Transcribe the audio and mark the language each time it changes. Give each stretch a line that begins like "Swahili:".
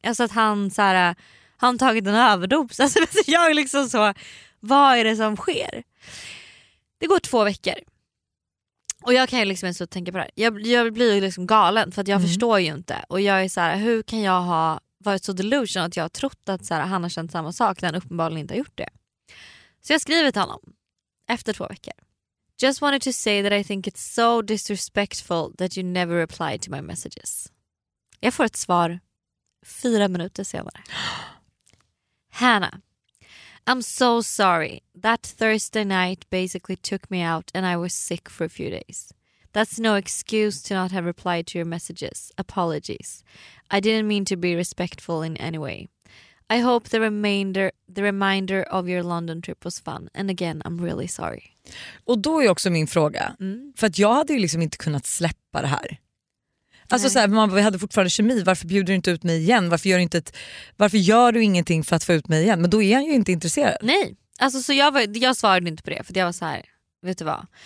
Swedish: Alltså att han så här, han tagit en överdos? Alltså jag liksom så, vad är det som sker? Det går 2 veckor. Och jag kan ju liksom inte så tänka på det här. Jag blir ju liksom galen för att jag förstår ju inte. Och jag är så här, hur kan jag ha varit så delusion att jag har trott att så här, han har känt samma sak när han uppenbarligen inte har gjort det? Så jag skriver till honom efter 2 veckor.
English: Just wanted to say that I think it's so disrespectful that you never reply to my messages.
Swedish: Jag får ett svar 4 minuter senare.
English: Hannah, I'm so sorry. That Thursday night basically took me out and I was sick for a few days. That's no excuse to not have replied to your messages. Apologies. I didn't mean to be respectful in any way. I hope the reminder of your London trip was fun. And again, I'm really sorry.
Swedish: Och då är också min fråga. Mm. För att jag hade ju liksom inte kunnat släppa det här. Alltså så här, vi hade fortfarande kemi. Varför bjuder du inte ut mig igen? Varför gör du ingenting för att få ut mig igen? Men då är han ju inte intresserad. Nej, alltså så jag svarade inte på det. För jag var så här, vet du vad?